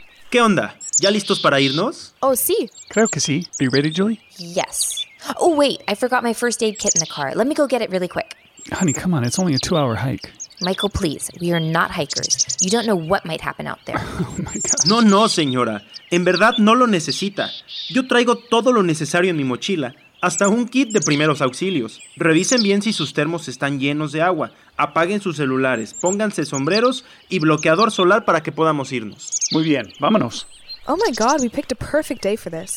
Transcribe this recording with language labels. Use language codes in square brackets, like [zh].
[es] ¿Qué onda? ¿Ya listos para irnos? Oh, sí. Creo que sí. Are you ready, Julie? [en] Yes. Oh, wait. I forgot my first aid kit in the car. Let me go get it really quick. Honey, come on. It's only a 2-hour hike. Michael, please. We are not hikers. You don't know what might happen out there. Oh, my God. [es] No, no, señora. En verdad, no lo necesita. Yo traigo todo lo necesario en mi mochila. Hasta un kit de primeros auxilios. Revisen bien si sus termos están llenos de agua. Apaguen sus celulares. Pónganse sombreros y bloqueador solar para que podamos irnos. Muy bien. Vámonos. [en] Oh my God, we picked a perfect day for this.